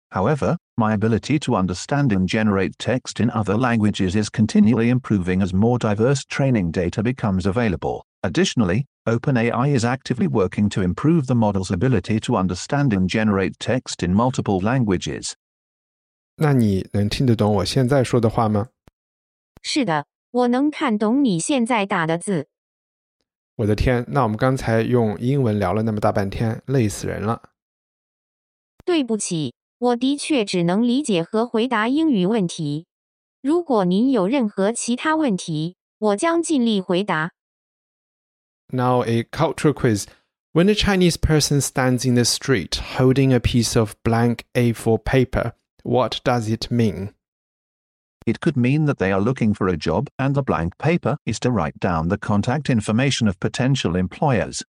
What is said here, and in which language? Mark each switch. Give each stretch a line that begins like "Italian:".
English: However, my ability to understand and generate text in other languages is continually improving as more diverse training data becomes available. Additionally, OpenAI is actively working to improve the model's ability to understand and generate text in multiple languages.
Chinese: 那你能听得懂我现在说的话吗？是的，我能看懂你现在打的字。我的天，那我们刚才用英文聊了那么大半天，累死人了。对不起，我的确只能理解和回答英语问题。如果您有任何其他问题，我将尽力回答。
English: Now a culture quiz. When a Chinese person stands in the street holding a piece of blank A4 paper, what does it mean? It could mean that they are looking for a job and the blank paper is to write down the contact information of potential employers.